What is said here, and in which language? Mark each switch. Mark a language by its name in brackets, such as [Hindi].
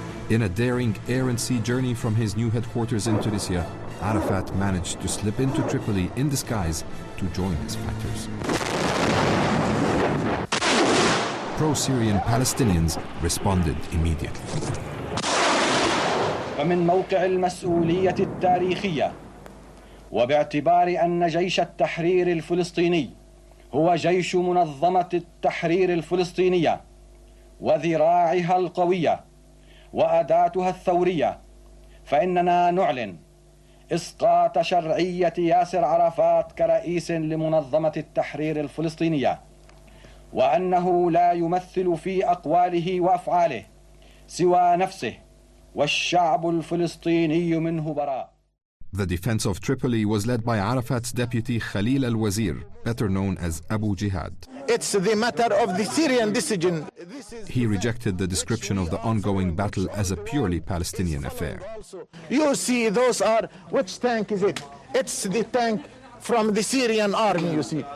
[English] In a daring air and sea journey from his new headquarters in Tunisia, Arafat managed to slip into Tripoli in disguise to join his fighters. Pro-Syrian Palestinians responded immediately. [Arabic] فمن موقع المسؤولية التاريخية وباعتبار أن جيش التحرير الفلسطيني هو جيش منظمة التحرير الفلسطينية وذراعها القوية وأداتها الثورية فإننا نعلن إسقاط شرعية ياسر عرفات كرئيس لمنظمة التحرير الفلسطينية وأنه لا يمثل في أقواله وأفعاله سوى نفسه والشعب الفلسطيني منه براء. [English] The defense of Tripoli was led by Arafat's deputy Khalil al-Wazir, better known as Abu Jihad. It's the matter of the Syrian decision. He rejected the description of the ongoing battle as a purely Palestinian affair. You see, those are, which tank is it? It's the tank from the Syrian army, you see.